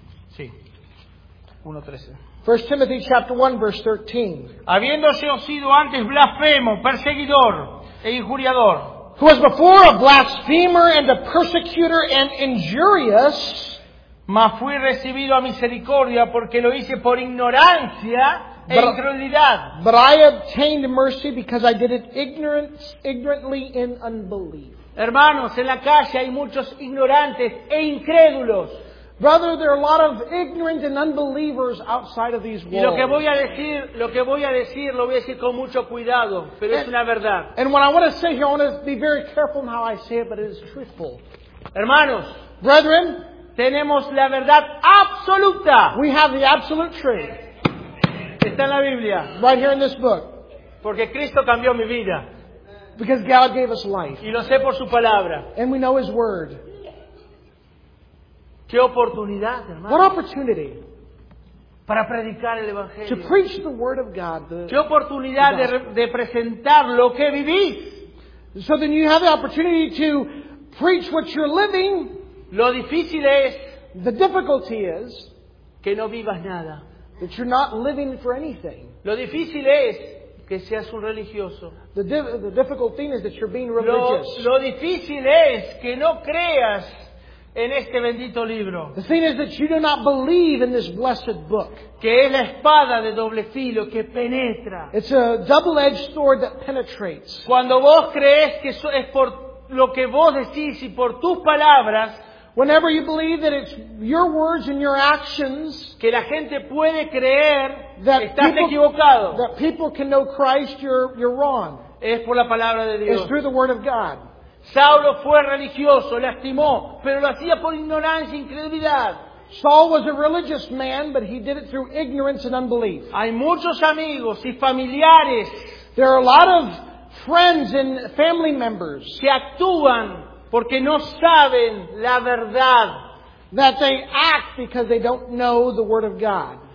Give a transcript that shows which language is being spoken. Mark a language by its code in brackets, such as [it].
[es] Sí. 1:13. [en] First Timothy chapter 1 verse 13. [es] Habiéndose sido antes blasfemo, perseguidor e injuriador. [en] Who was before a blasphemer and a persecutor and injurious, [es] mas fui recibido a misericordia porque lo hice por ignorancia e incredulidad. [en] But I obtained mercy because I did it ignorantly in unbelief. [es] Hermanos, en la calle hay muchos ignorantes e incrédulos. [en] Brother, there are a lot of ignorant and unbelievers outside of these walls. [es] Y lo que voy a decir, lo voy a decir con mucho cuidado, pero es una verdad. [en] And what I want to say here, I want to be very careful in how I say it, but it is truthful. [es] Hermanos, [en] brethren, [es] tenemos la verdad absoluta. [en] We have the absolute truth. [es] Está en la Biblia. [en] Right here in this book. [es] Porque Cristo cambió mi vida. [en] Because God gave us life. [es] Y lo sé por su palabra. [en] And we know His word. [es] Qué oportunidad, hermano. [en] What opportunity [es] para predicar el evangelio. [en] To preach the word of God. [es] Qué oportunidad de presentar lo que vivís. [en] So then you have the opportunity to preach what you're living. [es] Lo difícil es. [en] The difficulty is [es] que no vivas nada. [en] That you're not living for anything. [es] Lo difícil es que seas un religioso. [en] The difficult thing is that you're being religious. [es] Lo difícil es que no creas. En este bendito libro. [en] The thing is that you do not believe in this blessed book. [es] Que es la espada de doble filo que penetra. [en] It's a double-edged sword that penetrates. [es] Cuando vos crees que eso es por lo que vos decís y por tus palabras, [en] whenever you believe that it's your words and your actions, [es] que la gente puede creer, estás equivocado. [en] That people can know Christ, you're wrong. [es] Es por la palabra de Dios. [en] It's through the word of God. [es] Saulo fue religioso, lastimó, pero lo hacía por ignorancia e incredulidad. [en] Saul was a religious man, but he did it through ignorance and unbelief. [es] Hay muchos amigos y familiares. [en] There are a lot of friends and family members. [es] Que actúan porque no saben la verdad. [en] That they act because they don't know the word of God.